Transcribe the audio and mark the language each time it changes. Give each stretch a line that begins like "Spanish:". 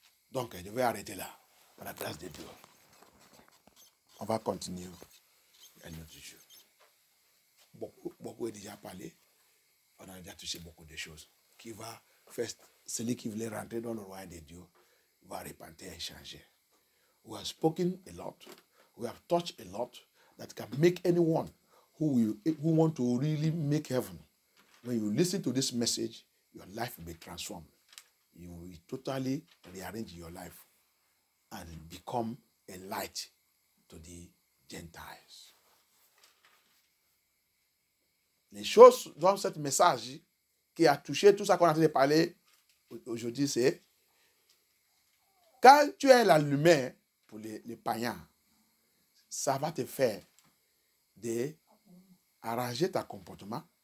French: Donc, je vais arrêter là, par la grâce de Dieu. On va continuer à notre jour. Beaucoup ont déjà parlé. On a déjà touché beaucoup de choses. Qui va faire, celui qui voulait rentrer dans le royaume de Dieu va repentir et changer.
English: We have spoken a lot. We have touched a lot that can make anyone who want to really make heaven. When you listen to this message, your life will be transformed. You will totally rearrange your life and become a light to the Gentiles.
French: Les choses dans ce message qui a touché tout ça qu'on a parlé aujourd'hui, c'est quand tu es la lumière pour les païens, ça va te faire d'arranger ton comportement.